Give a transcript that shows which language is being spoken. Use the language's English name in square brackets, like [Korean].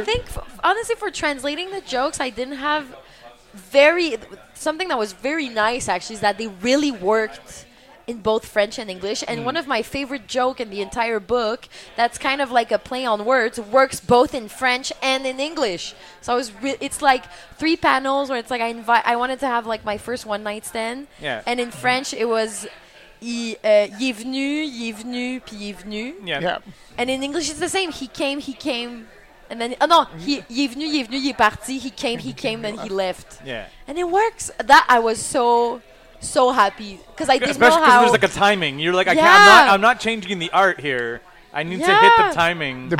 [English] I think honestly, for translating the jokes, I didn't have something that was very nice actually is that they really worked in both French and English. And one of my favorite joke in the entire book that's kind of like a play on words works both in French and in English. So I was it's like three panels where it's like I wanted to have like my first one night stand. Yeah. And in French it was [French] y est venu, puis y est venu. [English] Yeah. Yeah. And in English it's the same. He came, and then, oh no, [French] y est venu, y est parti. [English] He came, then he left. Yeah. And it works. That I was so happy because I didn't especially know how there's like a timing you're like yeah. I'm not changing the art here I need yeah. to hit the timing the